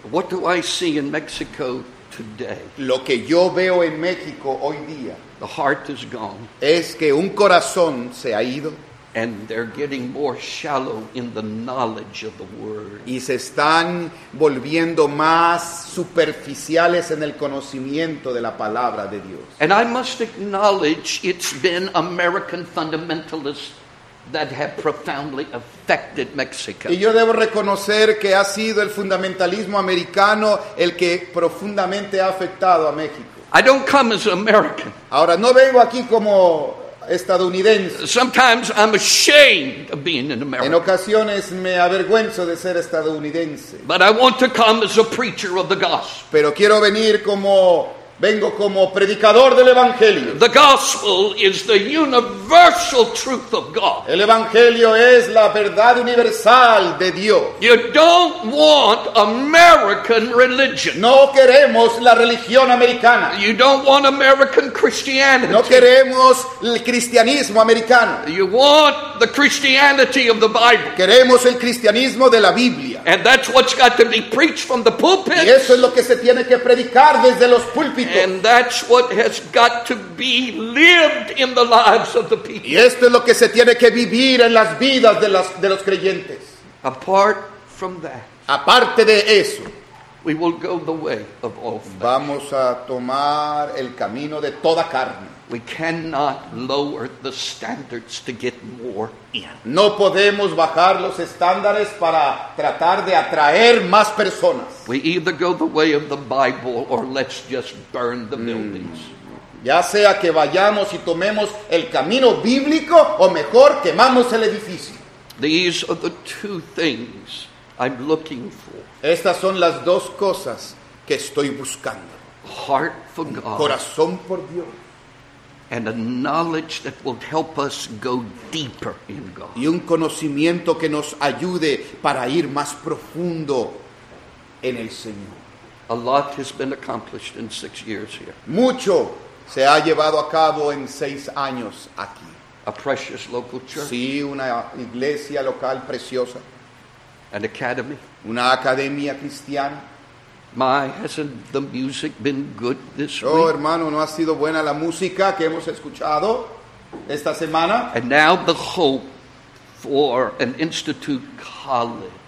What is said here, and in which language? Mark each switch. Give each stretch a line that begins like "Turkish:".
English: What do I see in Mexico today?
Spanish: Lo que yo veo en México hoy día.
English: The heart is gone.
Spanish: Es que un corazón se ha ido.
English: And they're getting more shallow in the knowledge of the word.
Spanish: Y se están volviendo más superficiales en el conocimiento de la palabra de Dios.
English: And I must acknowledge it's been American fundamentalists that have profoundly affected Mexico.
Spanish: Y yo debo reconocer que ha sido el fundamentalismo americano el que profundamente ha afectado a México.
English: I don't come as American.
Spanish: Ahora no vengo aquí como estadounidense.
English: Sometimes I'm ashamed of being an American.
Spanish: En ocasiones me avergüenzo de ser estadounidense.
English: But I want to come as a preacher of the gospel.
Spanish: Pero quiero venir como vengo como predicador del evangelio.
English: The gospel is the universal truth of God.
Spanish: El evangelio es la verdad universal de Dios.
English: You don't want American religion.
Spanish: No queremos la religión americana.
English: You don't want American Christianity.
Spanish: No queremos el cristianismo americano.
English: You want the Christianity of the Bible.
Spanish: Queremos el cristianismo de la Biblia.
English: And that's what's got to be preached from the pulpit.
Spanish: Y eso es lo que se tiene que predicar desde los púlpitos.
English: And that's what has got to be lived in the lives of the people.
Spanish: Y esto es lo que se tiene que vivir en las vidas de los creyentes.
English: Apart from that.
Spanish: Aparte de eso.
English: We will go the way of all flesh.
Spanish: Vamos a tomar el camino de toda carne.
English: We cannot lower the standards to get more in.
Spanish: No podemos bajar los estándares para tratar de atraer más personas.
English: We either go the way of the Bible or let's just burn the buildings.
Spanish: Ya sea que vayamos y tomemos el camino bíblico o mejor quemamos el edificio.
English: These are the two things I'm looking for.
Spanish: Estas son las dos cosas que estoy buscando.
English: Heart for God.
Spanish: Corazón por Dios.
English: And a knowledge that will help us go deeper in God.
Spanish: Y un conocimiento que nos ayude para ir más profundo en el Señor.
English: A lot has been accomplished in 6 years here.
Spanish: Mucho se ha llevado a cabo en 6 años aquí.
English: A precious local church.
Spanish: Sí, una iglesia local preciosa.
English: An academy.
Spanish: Una academia cristiana.
English: My, hasn't the music been good this week?
Spanish: Oh, hermano, ¿no ha sido buena la música que hemos escuchado esta semana?
English: And now the hope for an institute college.